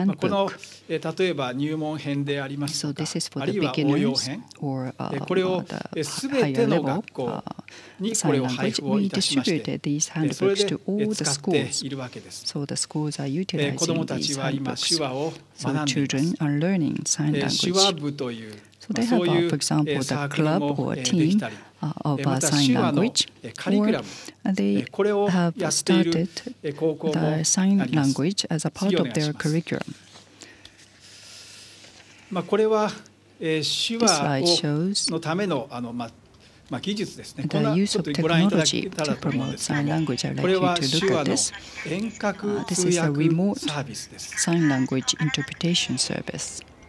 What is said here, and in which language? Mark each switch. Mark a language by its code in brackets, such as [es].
[ja] まあ、この例えば入門編でありますとか、あるいは応用編、これをすべての学校にこれを配布をいたしまして、それで使っているわけです。子供たちは今手話を学んでいます。 [en] So children are learning sign language. [ja] 手話部という、 [en] so they have, for example, the club or team of sign language. Or they have started the sign language as a part of their curriculum. [ja] まあこれは手話をのためのまあ、技術ですね。 [en] The use of technology to promote sign language. I'd like you to look at this. This is a remote sign language interpretation service.